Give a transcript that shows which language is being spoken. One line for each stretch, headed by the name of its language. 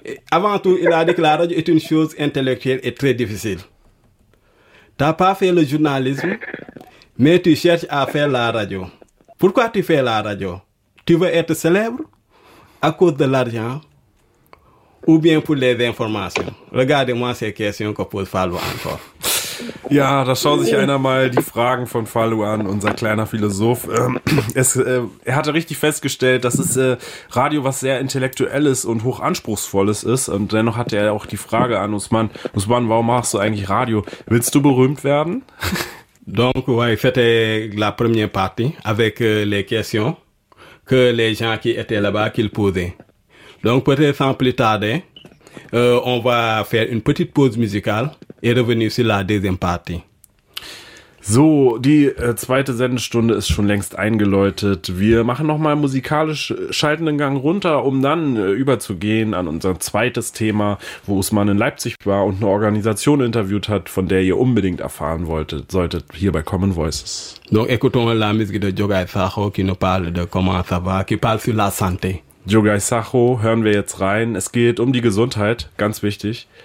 French: Avant tout, il a dit que la radio est une chose intellectuelle et très difficile. Tu n'as pas fait le journalisme, mais tu cherches à faire la radio. Pourquoi tu fais la radio? Tu veux être célèbre à cause de l'argent ou bien pour les informations? Regardez-moi ces questions que pose Fallou encore.
German: Ja, da schaut sich einer mal die Fragen von Fallou an, unser kleiner Philosoph. Er hatte richtig festgestellt, dass es Radio was sehr Intellektuelles und Hochanspruchsvolles ist. Und dennoch hatte er auch die Frage an Ousmane, warum machst du eigentlich Radio? Willst du berühmt werden?
French: Donc, ouais, c'était la première partie avec les questions que les gens qui étaient là-bas qu'ils posaient. Donc, peut-être sans plus tarder, on va faire une petite pause musicale. Et revenir sur la deuxième partie.
German: So, die zweite Sendestunde ist schon längst eingeläutet. Wir machen nochmal musikalisch schaltenden Gang runter, um dann überzugehen an unser zweites Thema, wo Ousmane in Leipzig war und eine Organisation interviewt hat, von der ihr unbedingt erfahren wolltet, solltet hier bei Common Voices.
French: Donc écoutons la musique de Djogai Sacho, qui nous parle de comment ça va, qui parle sur la santé.
German: Djogai Sacho, hören wir jetzt rein. Es geht um die Gesundheit, ganz wichtig.